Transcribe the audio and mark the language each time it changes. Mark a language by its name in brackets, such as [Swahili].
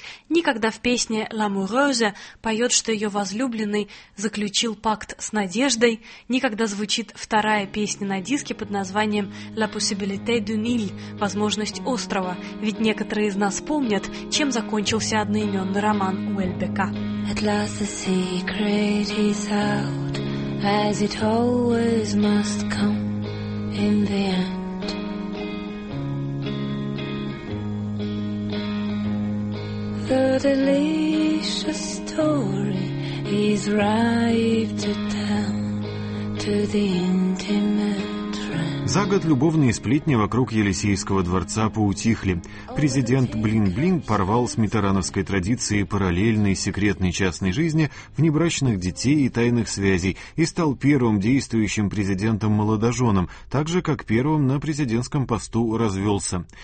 [Russian] Никогда в песне «L'amoureuse» поет, что ее возлюбленный заключил пакт с надеждой. Никогда звучит вторая песня на диске под названием «La possibilité d'une île» – «Возможность острова». Ведь некоторые из нас помнят, чем закончился одноименный роман Уэльбека. [English] At last the secret is out, as it always must come in the end. The delicious story is ripe to tell to the intimate. [Russian] За год любовные сплетни вокруг Елисейского дворца поутихли. Президент Блин-Блин порвал с митерановской традицией параллельной секретной частной жизни, внебрачных детей и тайных связей и стал первым действующим президентом-молодоженом, так же, как первым на президентском посту развелся.